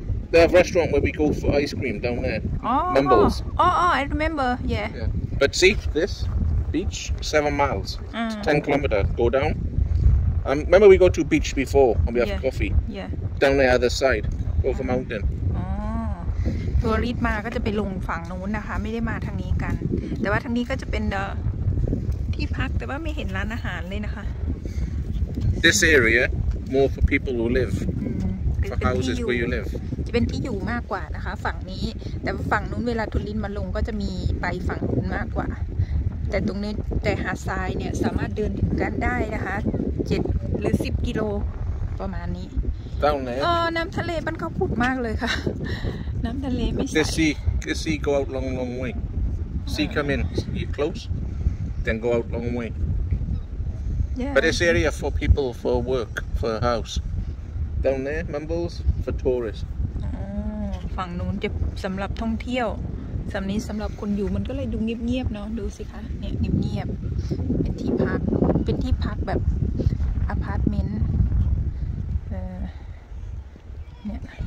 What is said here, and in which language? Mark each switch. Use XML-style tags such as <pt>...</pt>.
<en>They have a restaurant where we go for ice cream down there. Oh, Mumbles. Oh, I remember. Yeah. But see this beach, 7 miles, 10 kilometer. Go down. Remember we go to beach before and we have coffee. Yeah. Down the other side, over mountain.</en> <th>Oh, tourist มาก็จะไปลงฝั่งนู้นนะคะไม่ได้มาทางนี้กันแต่ว่าทางนี้ก็จะเป็นที่พักแต่ว่าไม่เห็นร้านอาหารเลยนะคะ</th> <en>This area more for people who live for houses where you live.</en> <th>เป็นที่อยู่มากกว่านะคะฝั่งนี้แต่ฝั่งนู้นเวลาทุลินมาลงก็จะมีไปฝั่งนู้นมากกว่าแต่ตรงนี้แต่หาดทรายเนี่ยสามารถเดินถึงกันได้นะคะ7หรือ10กิโลประมาณนี้ตรงไหน น้ำทะเลมันก็ขุ่นมากเลยค่ะน้ำทะเลไม่ใ</th> <en>ช่ The sea go out long way sea come in you close then go out long way yeah. but it's area for people for work for a house down there Mumbles for tourist</en> <th>ฝั่งนู้นจะสำหรับท่องเที่ยวสำนี้สำหรับคนอยู่มันก็เลยดูเงียบๆเนาะดูสิคะเนี่ยเงียบๆเป็นที่พักแบบอพาร์ตเมนต์เนี่ย</th>